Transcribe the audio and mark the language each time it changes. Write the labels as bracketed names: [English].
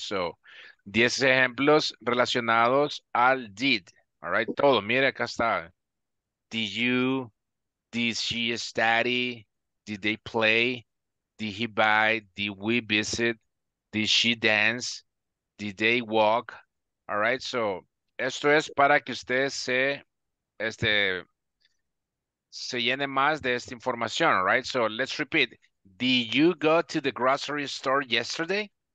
[Spanish] So 10 ejemplos relacionados al did. [English] All right. [Spanish] Todo. Mira, acá está. [English] Did you, did she study, did they play, did he buy, did we visit, did she dance, did they walk? All right, so [Spanish] esto es para que usted se llene más de esta información, [English] right? So let's repeat. Did you go to the grocery store yesterday?